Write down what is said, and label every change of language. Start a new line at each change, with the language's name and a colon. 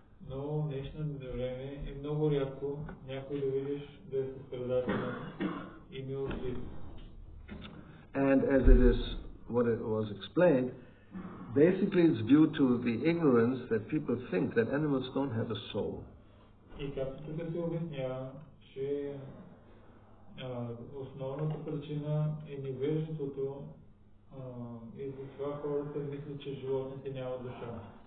Bulgarian: Но в днешно време е много рядко някой да видиш да е състрадателен и милостив.
English: And as it is what it was explained, basically it's due to the ignorance that people think that animals don't have a soul.
Bulgarian: И както тук се обяснява, че основната причина е невежеството и за това хората мислят, че животните нямат душа.